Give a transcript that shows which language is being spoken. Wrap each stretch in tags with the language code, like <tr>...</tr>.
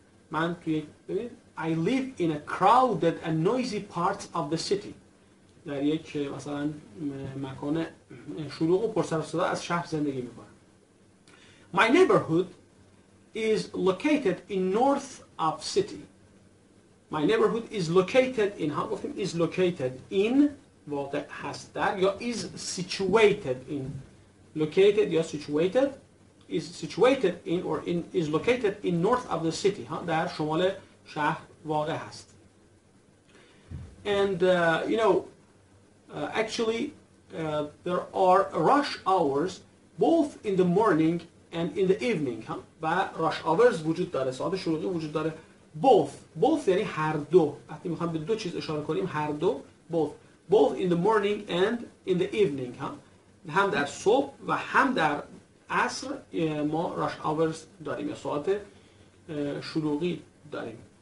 <fa>من توی</fa> <en>I live in a crowded and noisy part of the city.</en> <fa>در یک مثلا مکان شلوغ و پر سر و صدا از شهر زندگی میکنم.</fa> <en>My neighborhood is located in north of city. My neighborhood is located in how</en> <fa>گفتیم</fa> <en>is located in</en> <fa>واقع هست در یا</fa> <en>is situated in located یا situated is situated in or in is located in north of the city</en> <fa>ها در شمال شهر واقع هست.</fa> <en>And you know actually there are rush hours both in the morning and in the evening ها.</en> <fa>و rush hours وجود داره، ساعت شلوغی وجود داره. Both یعنی هر دو، وقتی میخوام به دو چیز اشاره کنیم هر دو،</fa> <en>both in the morning and in the evening</en> <fa>ها. هم در صبح و هم در عصر ما rush hours داریم یا ساعت شلوغی داریم.</fa>